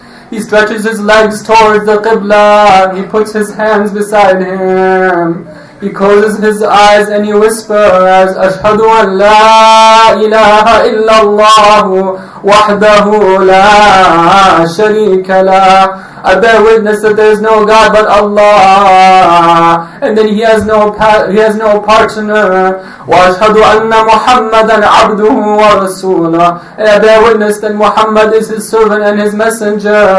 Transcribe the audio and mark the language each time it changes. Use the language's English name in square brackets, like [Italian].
[English] He stretches his legs towards the Qibla, he puts his hands beside him, he closes his eyes and he whispers, [Arabic] "Ashhadu an la ilaha illallah wahdahu la sharika la." [English] I bear witness that there is no God but Allah, and that he has no partner. [Arabic] وَأَشْهَدُ أَنَّ مُحَمَّدًا عَبْدُهُ وَرَسُولًا. [English] And I bear witness that Muhammad is his servant and his messenger.